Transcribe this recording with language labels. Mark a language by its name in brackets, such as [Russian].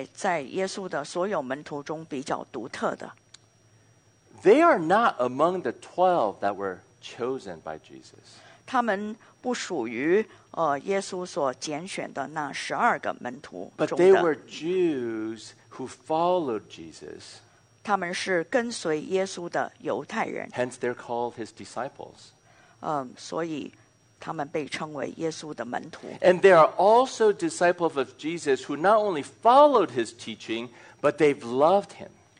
[Chinese] 是比较在耶稣的所有门徒中比较独特的。 [English] They are not among the 12 that were chosen by Jesus. [Chinese] 他们不属于耶稣所拣选的那十二个门徒。 [English] But they were Jews who followed Jesus. [Chinese] 他们是跟随耶稣的犹太人。 [English] Hence they're called his disciples. [Chinese] 所以 [English] And they are also disciples of Jesus who not only followed his teaching, but they've loved him.